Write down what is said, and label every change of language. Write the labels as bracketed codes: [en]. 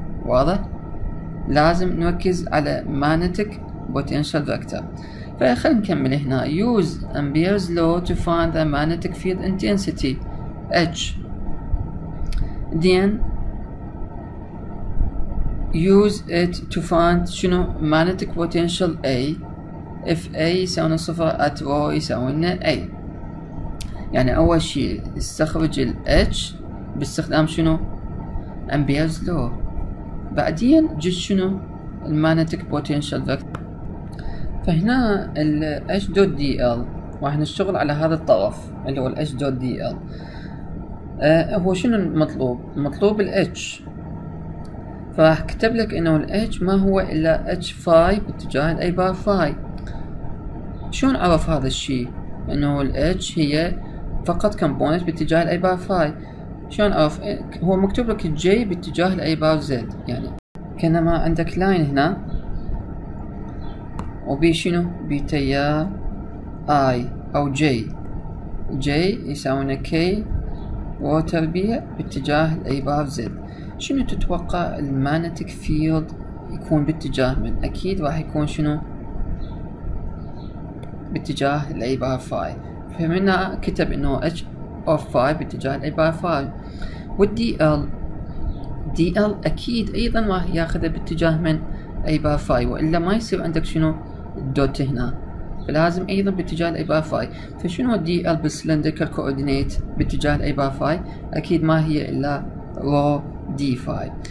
[ar] واضح؟ لازم نركز على magnetic potential vector. فخلنا نكمل هنا. [en] Use Ampere's law to find the magnetic field intensity H. Then use it to find شنو magnetic potential A. If A [ar] يساوي صفر [en] at rho [ar] يساوي لنا [en] A. [ar] يعني أول شيء استخرج ال H باستخدام شنو Ampere's law. بعدين جد شنو magnetic potential vector. فهنا ال H dot dl راح نشتغل على هذا الطرف اللي هو ال H dot dl. هو شنو المطلوب؟ مطلوب ال H. فراح كتب لك انه ال H ما هو الا H phi باتجاه ال A bar phi. شلون عرف هذا الشيء؟ انه ال H هي فقط component باتجاه ال A bar phi. شلون عرف؟ هو مكتوب لك J باتجاه ال A bar z. يعني كانما عندك line هنا وبي شنو؟ بي تيار I أو J. J يساوينا K وتربيع باتجاه الـ A bar Z. شنو تتوقع الـ magnetic field يكون باتجاه من؟ أكيد راح يكون شنو؟ باتجاه الـ A bar Phi. فهمنا كتب إنه H of Phi باتجاه الـ A bar Phi. والDL DL أكيد أيضا راح ياخذه باتجاه من A bar Phi، وإلا ما يصير عندك شنو؟ دوت هنا. فلازم ايضا باتجاه الاي بار فاي. فشنو دي ال بالسلندريكال كوردينيت باتجاه الاي بار فاي؟ اكيد ما هي الا رو دي فاي.